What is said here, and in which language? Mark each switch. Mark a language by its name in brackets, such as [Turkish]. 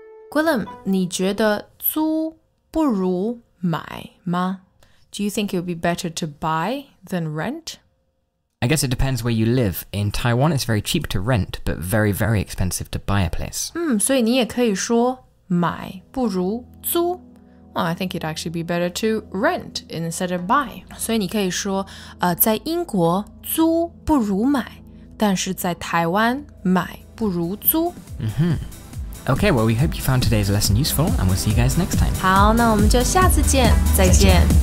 [English] Guillem, [Chinese] 你觉得租不如买吗 [English] ？Do you think it would be better to buy than rent? I guess it depends where you live. In Taiwan, it's very cheap to rent, but very, very expensive to buy a place. [Chinese] 所以你也可以说买不如租。 [English] Well, I think it'd actually be better to rent instead of buy. [Chinese] 所以你可以说在英国租不如买,但是在台湾买不如租。 [English] Okay, well, we hope you found today's lesson useful, and we'll see you guys next time. [Chinese] 好,那我们就下次见。再见。